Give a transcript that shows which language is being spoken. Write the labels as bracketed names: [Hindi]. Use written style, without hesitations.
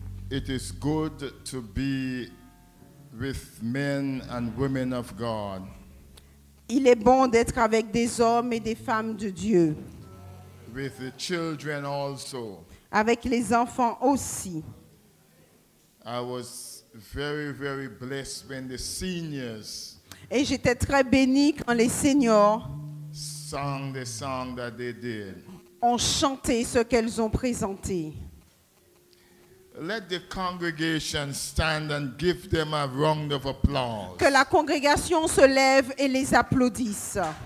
[English] It is good to be with men and women of God. [French] Il est bon d'être avec des hommes et des femmes de Dieu. [English] With the children also. [French] Avec les enfants aussi. [English] I was very, very blessed when the seniors. [French] Et j'étais très béni quand les seniors [English] sang the song that they did. [French] Ont chanté ce qu'elles ont présenté. [English] Let the congregation stand and give them a round of applause. [French] Que la congrégation se lève et les applaudisse.